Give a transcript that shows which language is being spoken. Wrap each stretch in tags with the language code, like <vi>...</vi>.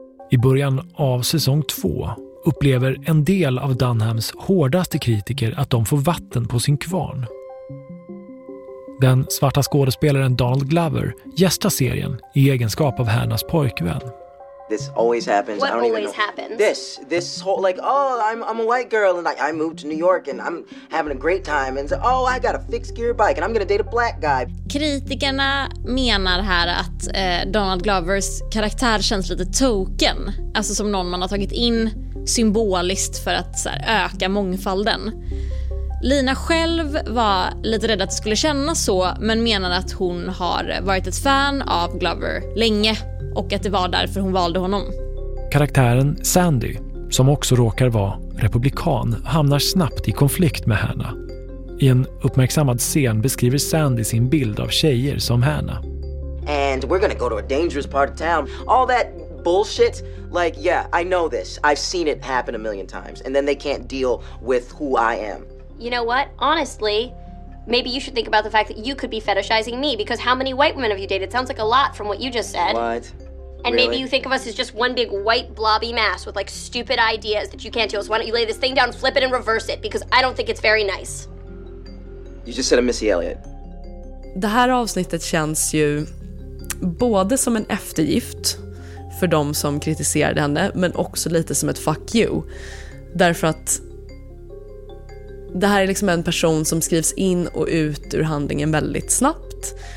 <sv>I början av säsong 2 upplever en del av Dunhams hårdaste kritiker att de får vatten på sin kvarn. Den svarta skådespelaren Donald Glover gästar serien i egenskap av Hannas pojkvän.</sv> <en>This always happens. What always happens? This whole like, oh, I'm a white girl and I moved to New York and I'm having a great time and so, oh, I got a fixed gear bike and I'm gonna date a black guy. Kritikerna menar här att Donald Glovers karaktär känns lite token, alltså som någon man har tagit in symboliskt för att så här, öka mångfalden. Lina själv var lite rädd att det skulle kännas så, men menade att hon har varit ett fan av Glover länge och att det var därför hon valde honom. Karaktären Sandy, som också råkar vara republikan, hamnar snabbt i konflikt med Hannah. I en uppmärksammad scen beskriver Sandy sin bild av tjejer som Hannah. And we're gonna go to a dangerous part of town. All that bullshit, like yeah, I know this. I've seen it happen a million times and then they can't deal with who I am. You know what? Honestly, maybe you should think about the fact that you could be fetishizing me, because how many white women have you dated? Sounds like a lot from what you just said. What? And really? Maybe you think of us as just one big white blobby mass with like stupid ideas that you can't deal with. So why don't you lay this thing down, flip it and reverse it, because I don't think it's very nice. You just said a Missy Elliott.</en> <sv>det här avsnittet känns ju både som en eftergift för de som kritiserade henne, men också lite som ett fuck you. Därför att det här är liksom en person som skrivs in och ut ur handlingen väldigt snabbt.</sv>